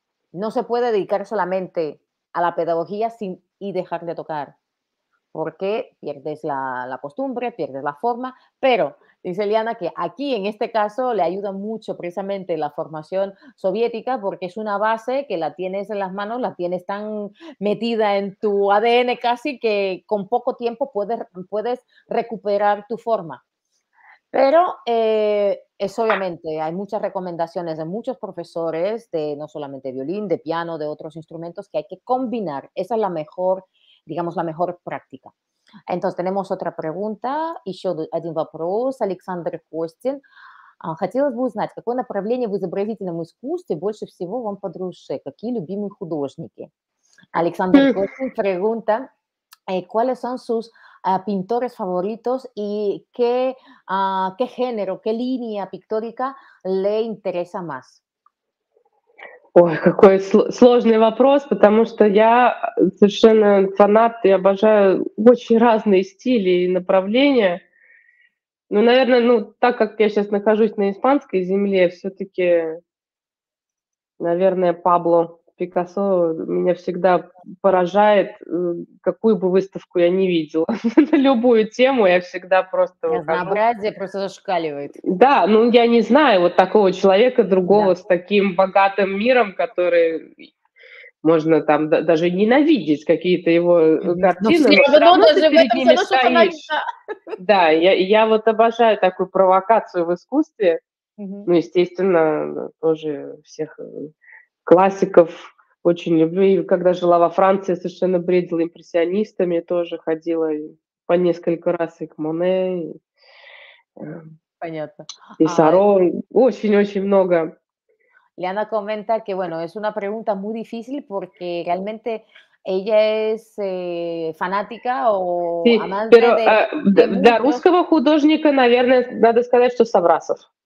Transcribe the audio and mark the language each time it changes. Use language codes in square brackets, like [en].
[es] No se puede dedicar solamente a la pedagogía y dejar de tocar, porque pierdes la costumbre, pierdes la forma, pero dice Liana que aquí en este caso le ayuda mucho precisamente la formación soviética, porque es una base que la tienes en las manos, la tienes tan metida en tu ADN casi, que con poco tiempo puedes recuperar tu forma. Pero es obviamente, hay muchas recomendaciones de muchos profesores, de no solamente violín, de piano, de otros instrumentos, que hay que combinar. Esa es la mejor, digamos, la mejor práctica. Entonces, tenemos otra pregunta. [ru] Еще один вопрос, Александр Костин. Хотелось бы узнать, какое направление в изобразительном искусстве больше всего вам по душе? Какие любимые художники? Александр Костин [es] pregunta, ¿Cuáles son sus pintores favoritos y qué género, qué línea pictórica le interesa más? [ru] Ой, какой сложный вопрос, потому что я совершенно фанат и обожаю очень разные стили и направления. Ну, наверное, ну, так как я сейчас нахожусь на испанской земле, все-таки, наверное, Пабло Пикассо меня всегда поражает, какую бы выставку я ни видела. На любую тему я всегда просто... Разнообразие просто зашкаливает. Да, ну я не знаю вот такого человека, другого, да, с таким богатым миром, который можно там даже ненавидеть какие-то его картины. Но все равно даже в этом все равно что-то найдено. Да, я вот обожаю такую провокацию в искусстве. Ну, естественно, тоже всех... классиков очень люблю. И когда жила во Франции, совершенно бредила импрессионистами, тоже ходила по несколько раз и к Моне, и, понятно, и Саро. Очень-очень много. [es] Лиана comenta que, bueno, es una pregunta muy difícil porque realmente ella es fanática o sí, amante pero, de... [ru] Для русского художника, наверное, надо сказать, что Саврасов.